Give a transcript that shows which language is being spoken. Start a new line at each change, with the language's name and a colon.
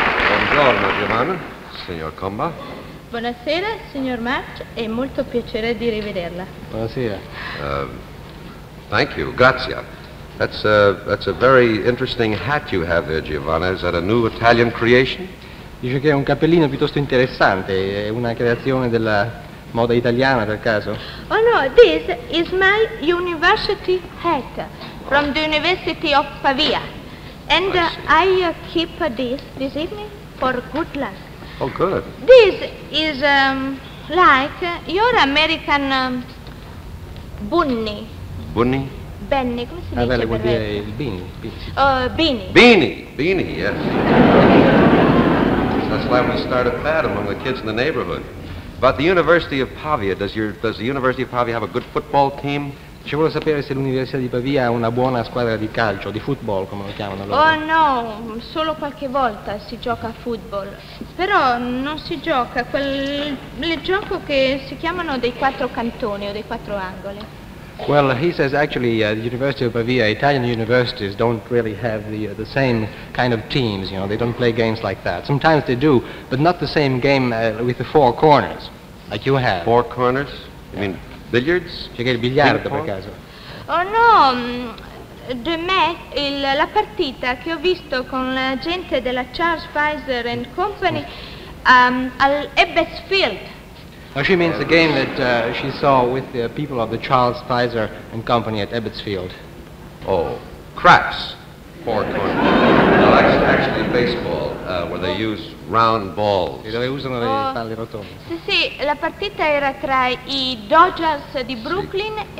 Italian: Buongiorno, Giovanna. Signor Comba. Buonasera, signor March. È molto piacere di rivederla. Buonasera.
English: Thank you. Grazie. That's a very interesting hat you have there, Giovanna. Is that a new Italian creation?
Italian: Dice che è un cappellino piuttosto interessante. È una creazione della moda italiana, per caso?
English: Oh, no. This is my university hat from the University of Pavia. And I keep this evening for good luck. Oh, good. This is like your American bunny. Bunny?
Italian: Benny, come si dice? Vuol dire il beanie.
English: Beanie, yes. That's why we start a fad among the kids in the neighborhood. But the University of Pavia, does the University of Pavia have a good football team?
Italian: Ci vuole sapere se l'Università di Pavia ha una buona squadra di calcio, di football, come lo chiamano loro. Oh no, solo qualche volta si gioca a football. Però non si gioca quel gioco che si chiamano dei quattro cantoni o dei quattro angoli.
English: Well, he says actually the University of Pavia, Italian universities don't really have the same kind of teams, you know, they don't play games like that. Sometimes they do, but not the same game with the four corners, like you have. Four corners? You mean billiards?
Italian: C'è che il biliardo per caso? Oh no, de me, la partita che ho visto con la gente della Charles Pfizer and Company al Ebbetsfield.
English: She means the game that she saw with the people of the Charles Pfizer and Company at Ebbetsfield. Oh, craps. Four corners. No, actually baseball, where they use round balls.
Italian: E dove usano le palle rotonde. Sì, sì, la partita era tra i Dodgers di Brooklyn sì.